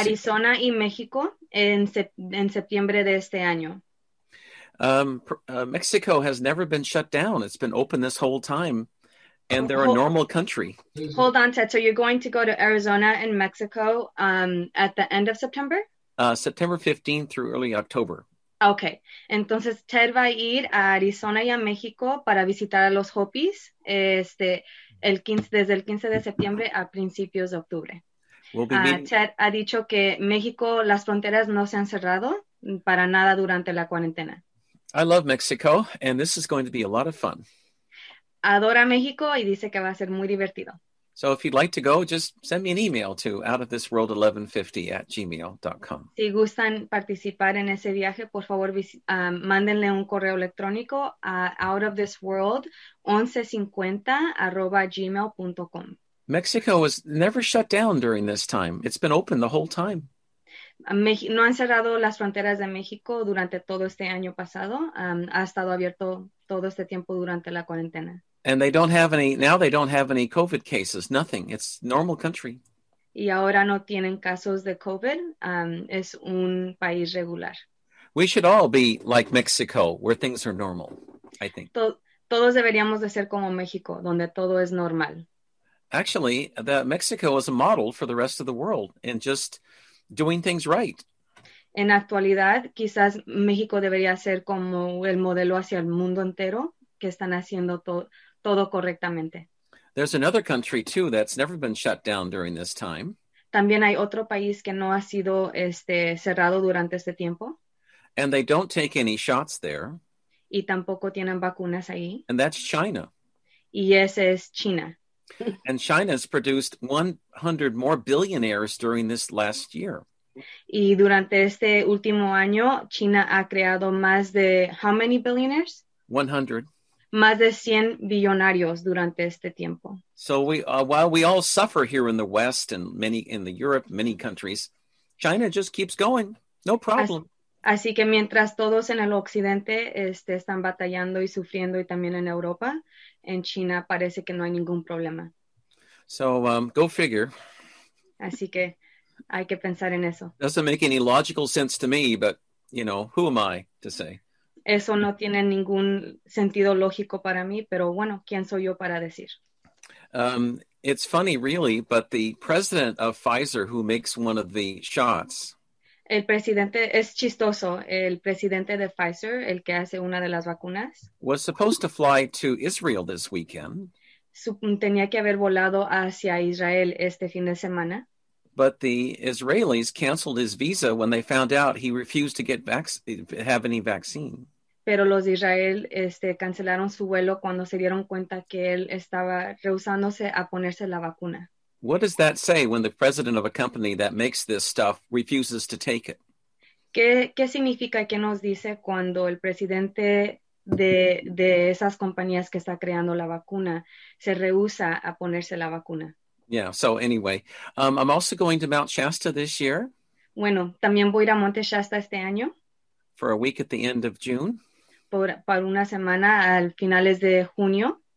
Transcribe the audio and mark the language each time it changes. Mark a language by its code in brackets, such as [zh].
[es] Arizona y México en septiembre de este año. [en] Mexico has never been shut down. It's been open this whole time. And they're a normal country. Hold on, Ted. So you're going to go to Arizona and Mexico at the end of September? September 15th through early October. Okay. [es] Entonces, Ted va a ir a Arizona y a México para visitar a los Hopis desde el 15 de septiembre a principios de octubre. [en] We'll be meeting... [es] Ted ha dicho que México, las fronteras no se han cerrado para nada durante la cuarentena. [en] I love Mexico, and this is going to be a lot of fun. [es] Adora México y dice que va a ser muy divertido. [en] So if you'd like to go, just send me an email to outofthisworld1150@gmail.com. [es] Si gustan participar en ese viaje, por favor, mándenle un correo electrónico a outofthisworld1150@gmail.com. [en] Mexico was never shut down during this time. It's been open the whole time. [es] No han cerrado las fronteras de México durante todo este año pasado. Ha estado abierto todo este tiempo durante la cuarentena. [en] And they don't have any, now they don't have any COVID cases, nothing. It's normal country. [es] y ahora no tienen casos de COVID, es un país regular. [en] We should all be like Mexico, where things are normal, I think. [es] Todos deberíamos de ser como México, donde todo es normal. [en] Actually, that Mexico is a model for the rest of the world in just doing things right. [es] En actualidad, quizás México debería ser como el modelo hacia el mundo entero, que están haciendo todo correctamente. [en] There's another country too that's never been shut down during this time. [es] También hay otro país que no ha sido cerrado durante este tiempo. [en] And they don't take any shots there. [es] Y tampoco tienen vacunas ahí. [en] And that's China. [es] Y ese es China. [en] And China's produced 100 more billionaires during this last year. [es] Y durante este último año, China ha creado más de, [en] how many billionaires? 100. [es] Más de 100 billonarios durante este tiempo. [en] So while we all suffer here in the West and many in the Europe, many countries, China just keeps going. No problem. [es] Así que mientras todos en el occidente están batallando y sufriendo, y también en Europa, en China parece que no hay ningún problema. [en] So go figure. [es] Así que hay que pensar en eso. [en] Doesn't make any logical sense to me, but who am I to say? [es] Eso no tiene ningún sentido lógico para mí, pero bueno, ¿quién soy yo para decir? [en] It's funny, really, but the president of Pfizer, who makes one of the shots, [es] El presidente es chistoso, el presidente de Pfizer, el que hace una de las vacunas, [en] was supposed to fly to Israel this weekend. [es] tenía que haber volado hacia Israel este fin de semana. [en] But the Israelis canceled his visa when they found out he refused to get vac have any vaccine. [es] Pero los de Israel cancelaron su vuelo cuando se dieron cuenta que él estaba rehusándose a ponerse la vacuna. [en] What does that say when the president of a company that makes this stuff refuses to take it? [es] ¿Qué significa y qué nos dice cuando el presidente de esas compañías que está creando la vacuna se rehúsa a ponerse la vacuna? [en] Yeah, so anyway, I'm also going to Mount Shasta this year [es] Bueno, también voy a ir a Monte Shasta este año [en] for a week at the end of June [es] por una semana al finales de junio